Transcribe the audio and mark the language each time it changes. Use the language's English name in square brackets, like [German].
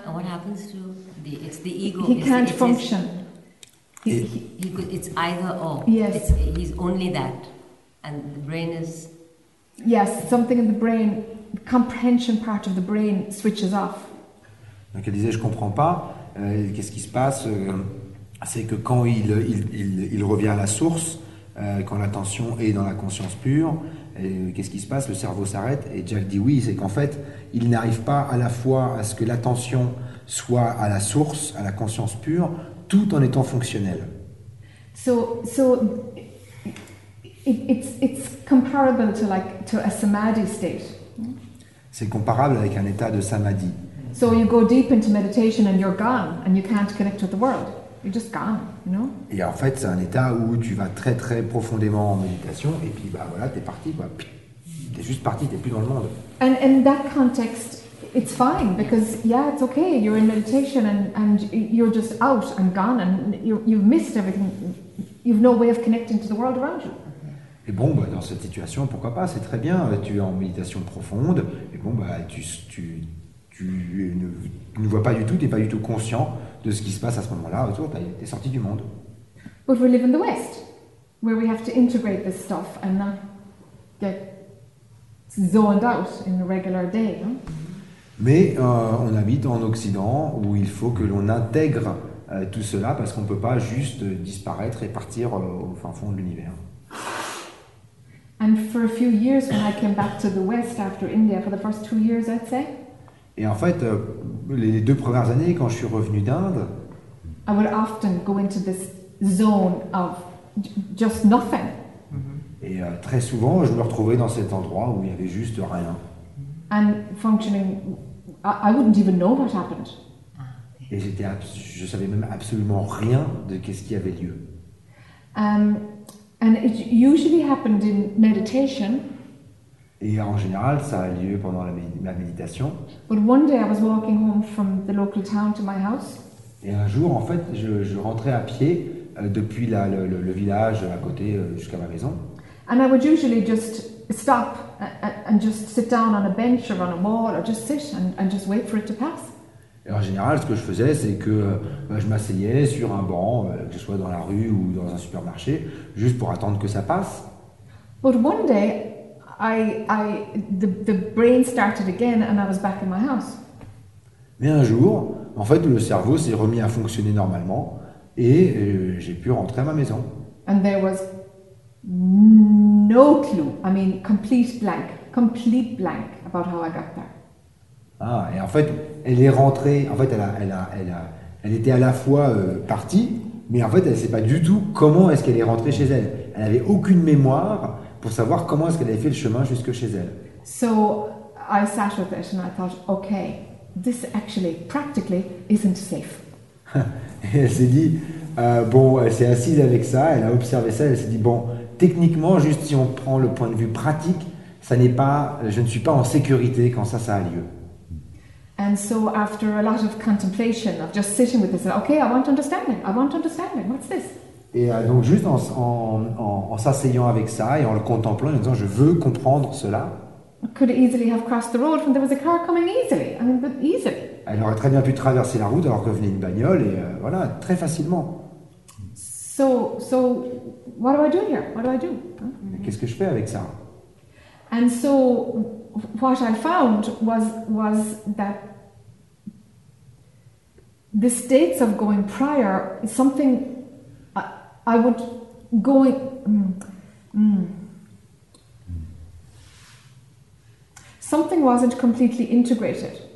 [English] And what happens to the? It's the ego. He can't function. It's either or. Yes. He's only that, and the brain is. Yes, something in the brain, the comprehension part of the brain switches off. [French] Donc elle disait, je comprends pas. Qu'est-ce qui se passe? C'est que quand il revient à la source, quand l'attention est dans la conscience pure. Et qu'est-ce qui se passe? Le cerveau s'arrête et Jack dit oui, c'est qu'en fait, il n'arrive pas à la fois à ce que l'attention soit à la source, à la conscience pure, tout en étant fonctionnel. [English] So it's comparable to like to a samadhi state. [French] C'est comparable avec un état de samadhi. [English] So you go deep into meditation and you're gone and you can't connect with the world. You're just gone, you know? [French] Et en fait, c'est un état où tu vas très très profondément en méditation, et puis bah voilà, t'es parti quoi. T'es juste parti, t'es plus dans le monde. [English] And in that context, it's fine, because yeah, it's okay, you're in meditation and you're just out and gone and you've missed everything, you've no way of connecting to the world around you. [French] Et bon, bah, dans cette situation, pourquoi pas, c'est très bien, tu es en méditation profonde, et bon, bah, tu ne vois pas du tout, tu n'es pas du tout conscient de ce qui se passe à ce moment-là autour, tu es sorti du monde. [English] But we live in the West, where we have to integrate this stuff and not get zoned out in a regular day. Hein? [French] Mais on habite en Occident, où il faut que l'on intègre tout cela, parce qu'on ne peut pas juste disparaître et partir au fin fond de l'univers. [English] And for a few years, when I came back to the West after India, for the first 2 years, I'd say. [French] Et en fait, les deux premières années, quand je suis revenu d'Inde, [English] I would often go into this zone of just nothing. [French] Et très souvent, je me retrouvais dans cet endroit où il y avait juste rien. [English] And functioning, I wouldn't even know what happened. [French] Et je savais même absolument rien de qu'est-ce qui avait lieu. [English] And it usually happened in meditation. [French] Et en général, ça a lieu pendant la méditation. [English] But one day I was walking home from the local town to my house. [French] Et un jour, en fait, je rentrais à pied depuis le village à côté jusqu'à ma maison. [English] And I would usually just stop and just sit down on a bench or on a wall or just sit and just wait for it to pass. [French] Et en général, ce que je faisais, c'est que je m'asseyais sur un banc, que ce soit dans la rue ou dans un supermarché, juste pour attendre que ça passe. [English] But one day, the brain started again and I was back in my house. [French] Mais un jour, en fait, le cerveau s'est remis à fonctionner normalement et j'ai pu rentrer à ma maison. [English] And there was no clue, I mean, complete blank about how I got there. [French] Ah, et en fait, elle est rentrée, en fait, elle était à la fois partie, mais en fait, elle ne sait pas du tout comment est-ce qu'elle est rentrée chez elle. Elle n'avait aucune mémoire pour savoir comment est-ce qu'elle avait fait le chemin jusque chez elle. [English] So, I sat with it and I thought, okay, this actually, practically, isn't safe. [French] Et elle s'est dit, elle s'est assise avec ça, elle a observé ça, elle s'est dit, bon, techniquement, juste si on prend le point de vue pratique, ça n'est pas, je ne suis pas en sécurité quand ça a lieu. [English] And so after a lot of contemplation, of just sitting with this, okay, I want understanding, what's this? [French] Et donc juste en s'asseyant avec ça et en le contemplant, en disant, je veux comprendre cela. [English] Could easily have crossed the road when there was a car coming easily. I mean, but easily. [French] Elle aurait très bien pu traverser la route alors que venait une bagnole et voilà, très facilement. [English] So, what do I do here? What do I do? [French] Mais qu'est-ce que je fais avec ça? [English] And so, what I found was that the states of going prior is something I would go in, something wasn't completely integrated.